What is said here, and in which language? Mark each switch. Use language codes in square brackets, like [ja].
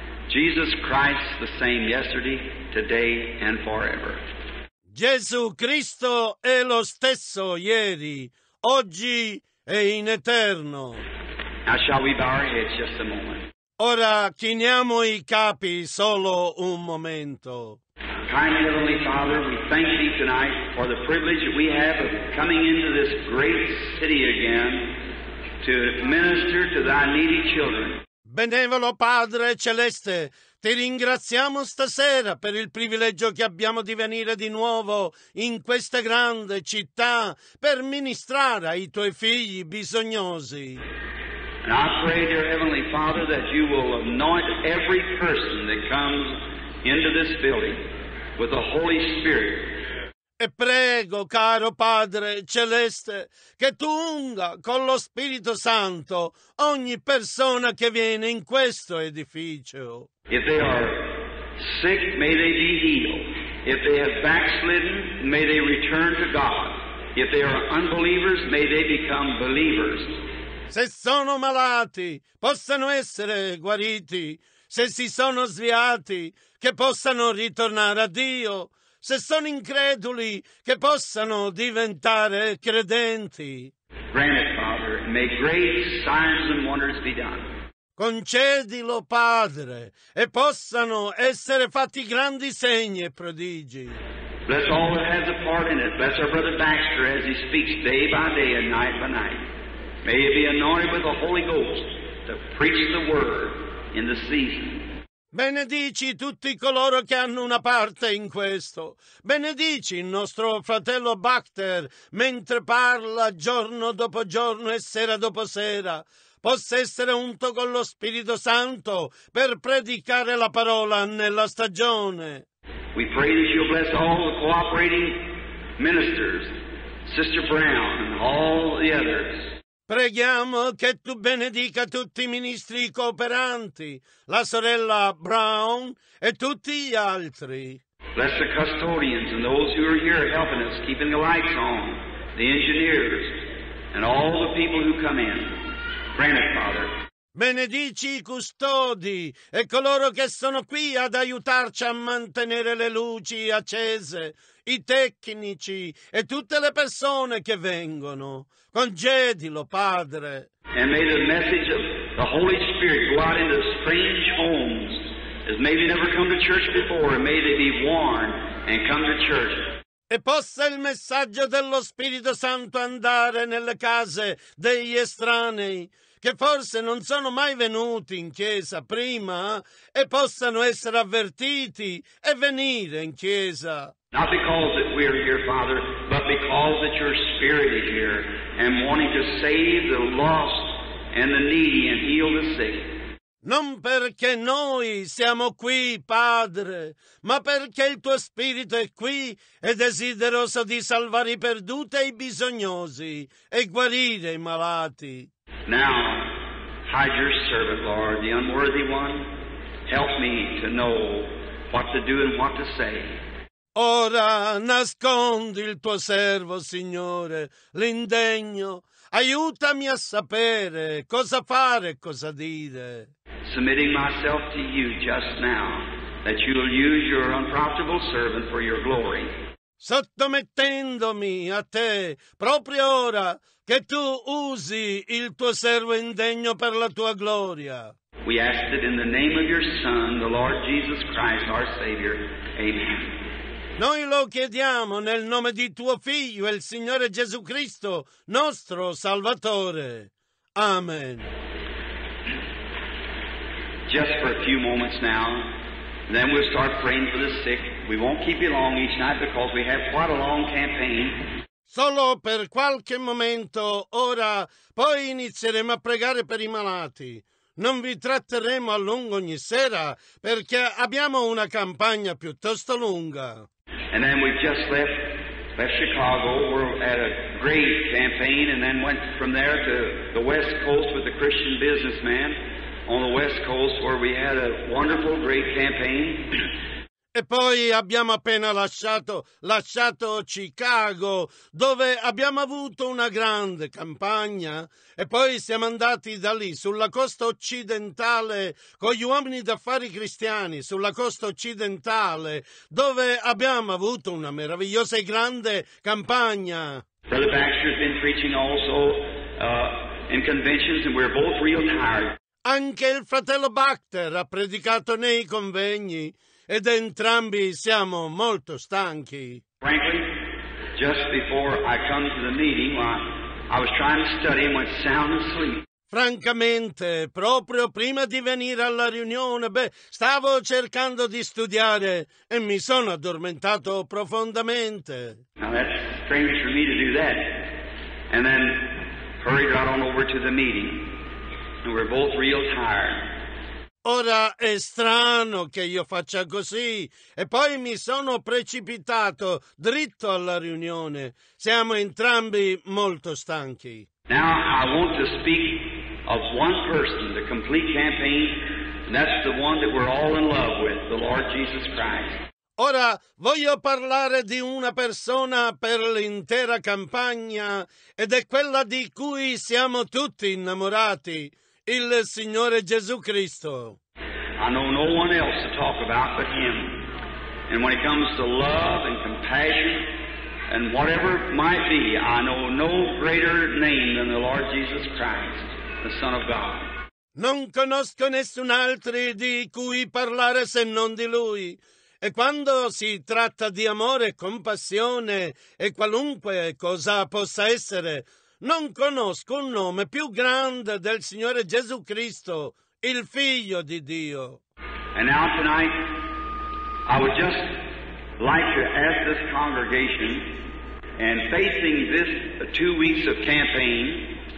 [en] Jesus Christ the same yesterday, today and forever. [it] Gesù Cristo è lo stesso ieri, oggi e in eterno. [en] Now shall we bow our heads just a moment? [it] Ora chiniamo i capi solo un momento. [en] Kind Heavenly Father, we thank thee tonight for the privilege that we have of coming into this great city again to minister to thy needy children. [it] Benevolo Padre Celeste, ti ringraziamo stasera per il privilegio che abbiamo di venire di nuovo in questa grande città per ministrare ai tuoi figli bisognosi. [en] And I pray, dear Heavenly Father, that you will anoint every person that comes into this building with the Holy Spirit. [it] E prego, caro Padre Celeste, che tu unga con lo Spirito Santo ogni persona che viene in questo edificio. [en] If they are sick, may they be healed. If they have backslidden, may they return to God. If they are unbelievers, may they become believers. [it] Se sono malati, possano essere guariti. Se si sono sviati, che possano ritornare a Dio. Se sono increduli, che possano diventare credenti. [en] Grant it, Father, and may great signs and wonders be done. [it] Concedilo, Padre, e possano essere fatti grandi segni e prodigi. [en] Bless all that has a part in it. Bless our brother Baxter as he speaks day by day and night by night. May he be anointed with the Holy Ghost to preach the word in the season. [it] Benedici tutti coloro che hanno una parte in questo. Benedici il nostro fratello Bakter mentre parla giorno dopo giorno e sera dopo sera. Possa essere unto con lo Spirito Santo per predicare la parola nella stagione. [en] We pray that you bless all the cooperating ministers, Sister Brown and all the others. [it] Preghiamo che tu benedica tutti i ministri cooperanti, la sorella Brown e tutti gli altri. [en] Bless the custodians and those who are here helping us, keeping the lights on, the engineers and all the people who come in. Grant it, Father. [it] Benedici i custodi e coloro che sono qui ad aiutarci a mantenere le luci accese, i tecnici e tutte le persone che vengono. Congedilo, Padre. [en] And may the message of the Holy Spirit go out into strange homes as maybe never come to church before, and may they be warned and come to church. [it] E possa il messaggio dello Spirito Santo andare nelle case degli estranei che forse non sono mai venuti in chiesa prima e possano essere avvertiti e venire in chiesa. [en] Not because that we are here, Father, but because that your Spirit is here and wanting to save the lost and the needy and heal the sick. [it] Non perché noi siamo qui, Padre, ma perché il tuo Spirito è qui e desideroso di salvare i perduti e i bisognosi e guarire i malati. [en] Now, hide your servant, Lord, the unworthy one. Help me to know what to do and what to say. [it] Ora nascondi il tuo servo, Signore, l'indegno. Aiutami a sapere cosa fare e cosa dire. [en] Submitting myself to you just now, that you will use your unprofitable servant for your glory. [it] Sottomettendomi a te proprio ora, che tu usi il tuo servo indegno per la tua gloria. [en] We ask it in the name of your Son, the Lord Jesus Christ, our Savior. Amen. [it] Noi lo chiediamo nel nome di tuo Figlio, il Signore Gesù Cristo, nostro Salvatore. Amen. [en] Just for a few moments now, then we'll start praying for the sick. We won't keep you long each night because we have quite a long campaign. [it] Solo per qualche momento, ora, poi inizieremo a pregare per i malati. Non vi tratteremo a lungo ogni sera perché abbiamo una campagna piuttosto lunga. [en] And then we just left Chicago. We're at a great campaign and then went from there to the West Coast with a Christian businessman on the West Coast where we had a wonderful, great campaign. [it] E poi abbiamo appena lasciato Chicago, dove abbiamo avuto una grande campagna, e poi siamo andati da lì, sulla costa occidentale, con gli uomini d'affari cristiani, sulla costa occidentale, dove abbiamo avuto una meravigliosa e grande campagna. [en] Brother Baxter has been preaching also in conventions, and we're both real tired. [it] Anche il fratello Bakter ha predicato nei convegni, ed entrambi siamo molto stanchi. [en] Frankly, just before I come to the meeting, I was trying to study and went sound asleep. [it] Francamente, proprio prima di venire alla riunione, beh, stavo cercando di studiare e mi sono addormentato profondamente. [en] Now that's strange for me to do that. And then hurried right on over to the meeting. And we're both real tired. [it] Ora è strano che io faccia così e poi mi sono precipitato dritto alla riunione. Siamo entrambi molto stanchi. [en] Now I want to speak of one person, the complete campaign, and that's the one that we're all in love with, the Lord Jesus Christ. [it] Ora voglio parlare di una persona per l'intera campagna ed è quella di cui siamo tutti innamorati. Il Signore Gesù Cristo. [en] I know no one else to talk about but Him. And when it comes to love and compassion and whatever it might be, I know no greater name than the Lord Jesus Christ, the Son of God. [it] Non conosco nessun altro di cui parlare se non di Lui. E quando si tratta di amore, compassione e qualunque cosa possa essere, non conosco un nome più grande del Signore Gesù Cristo, il Figlio di Dio. [en] And now tonight, I would just like to ask this congregation, and facing this 2 weeks of campaign,